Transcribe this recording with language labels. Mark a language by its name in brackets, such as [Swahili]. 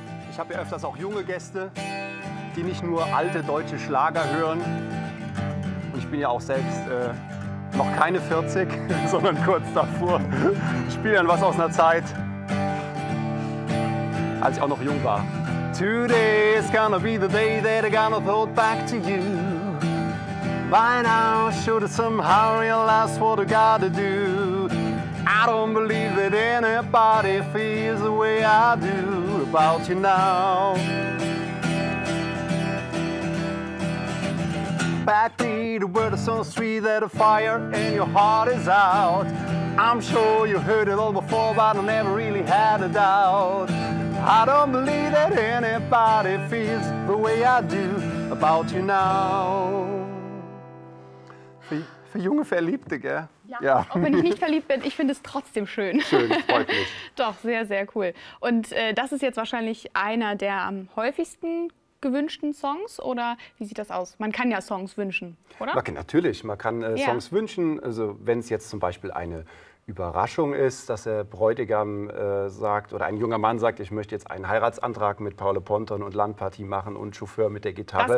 [German] Ich habe ja öfters auch junge Gäste, die nicht nur alte deutsche Schlager hören. Und ich bin ja auch selbst noch keine 40, sondern kurz davor. Ich spiele dann was aus einer Zeit, als ich auch noch jung war. [English] Today is gonna be the day that I'm gonna throw it back to you. By now should have somehow realized what I gotta do. I don't believe that anybody feels the way I do about you now. Back to the world is so sweet that a fire in your heart is out. I'm sure you heard it all before, but I never really had a doubt. I don't believe that anybody feels the way I do about you now. [German] Für junge Verliebte, gell? Ja, ja. Auch wenn ich nicht verliebt bin, ich finde es trotzdem schön. Schön, freut mich. Doch, sehr, sehr cool. Und das ist jetzt wahrscheinlich einer der am häufigsten gewünschten Songs, oder wie sieht das aus? Man kann ja Songs wünschen, oder? Okay, natürlich, man kann Songs wünschen. Also wenn es jetzt zum Beispiel eine Überraschung ist, dass der Bräutigam sagt oder ein junger Mann sagt, ich möchte jetzt einen Heiratsantrag mit Paolo Ponton und Landparty machen und Chauffeur mit der Gitarre.